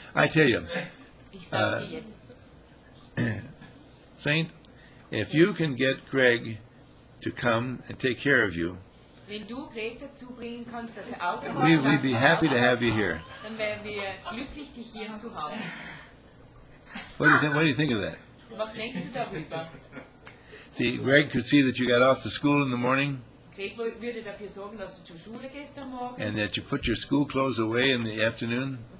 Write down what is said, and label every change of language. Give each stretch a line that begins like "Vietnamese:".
English: I tell you, Saint, if you can get Greg to come and take care of you,
German: wenn du Greg dazu bringen kannst, dass
English: we'd be happy to have you here.
German: Dann wären wir glücklich, dich hier zu haben.
English: What do you think of that? See, Greg could see that you got off to school in the morning. And that you put your school clothes away in the afternoon.